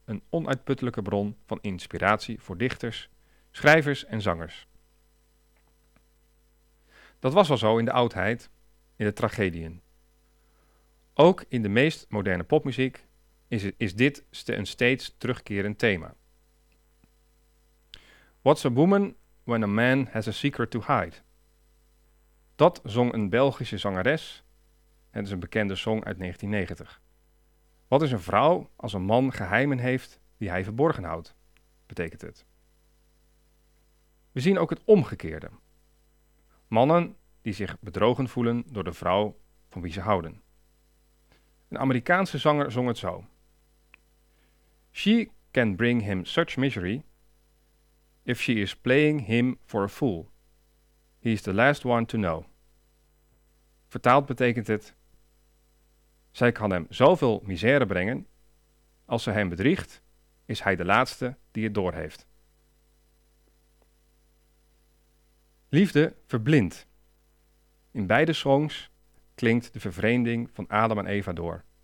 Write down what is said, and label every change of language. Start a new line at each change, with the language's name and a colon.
Dutch: een onuitputtelijke bron van inspiratie voor dichters, schrijvers en zangers. Dat was al zo in de oudheid, in de tragediën. Ook in de meest moderne popmuziek is dit een steeds terugkerend thema.
English: What's a woman when a man has a secret to hide?
Dutch: Dat zong een Belgische zangeres. Het is een bekende song uit 1990. Wat is een vrouw als een man geheimen heeft die hij verborgen houdt, betekent het. We zien ook het omgekeerde. Mannen die zich bedrogen voelen door de vrouw van wie ze houden. Een Amerikaanse zanger zong het zo.
English: She can bring him such misery if she is playing him for a fool. He is the last one to know.
Dutch: Vertaald betekent het: zij kan hem zoveel misère brengen, als ze hem bedriegt, is hij de laatste die het doorheeft. Liefde verblindt. In beide songs klinkt de vervreemding van Adam en Eva door.